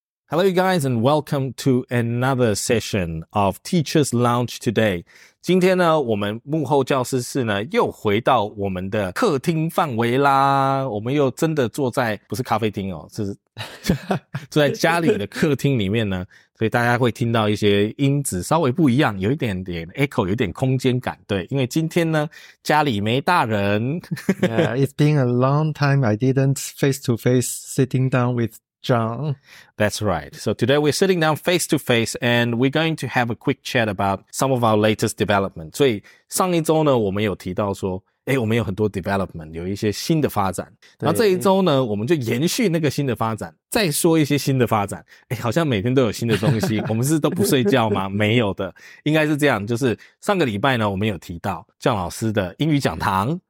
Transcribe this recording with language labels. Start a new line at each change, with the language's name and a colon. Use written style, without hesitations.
English: Hello, you guys, and welcome to another session of Teachers Lounge today.
Chinese: 今天呢，我们幕后教师室呢又回到我们的客厅范围啦。我们又真的坐在不是咖啡厅哦，是坐在家里的客厅里面呢。所以大家会听到一些音质稍微不一样，有一点点 echo， 有一点空间感。对，因为今天呢家里没大人。
English: Yeah, it's been a long time I didn't face to face sitting down with. John. That's right. So today we're sitting down face to face and we're going to have a quick chat about some of our latest development.
Chinese: 所以上一周呢我们有提到说诶我们有很多 development, 有一些新的发展。然后这一周呢我们就延续那个新的发展，再说一些新的发展。诶好像每天都有新的东西，我们是都不睡觉吗？没有的。应该是这样，就是上个礼拜呢我们有提到John老师的英语讲堂。